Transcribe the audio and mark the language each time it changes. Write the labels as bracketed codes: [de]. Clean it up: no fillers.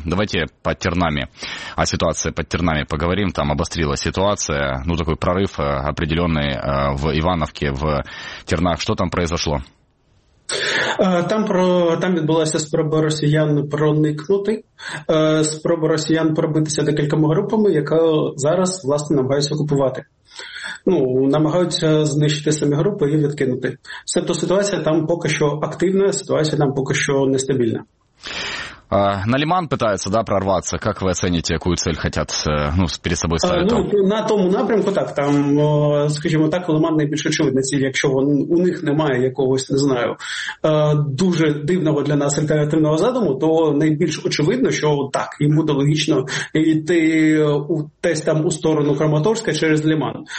[ru] Давайте под Тернами, о ситуации под Тернами поговорим. Там обострилась ситуация, ну, такой прорыв определенный в Ивановке, в Тернах. Что там произошло? [uk] Там відбулася спроба росіян проникнути, спроба росіян пробитися декількома групами, яка зараз, власне, намагаються окупувати. Ну, намагаються знищити самі групи і відкинути. Тобто ситуація там поки що активна, ситуація там поки що нестабільна. [ru] На Лиман пытаются, да, прорваться. Как вы оцените, какую цель хотят, ну, перед собой ставить? [uk] Ну, на тому напрямку так. Там, скажімо так, Лиман найбільш очевидна ціль, якщо у них немає якогось, не знаю, дуже дивного для нас альтернативного задуму, то найбільш очевидно, що так, їм буде логічно йти десь там у сторону Краматорська через Лиман.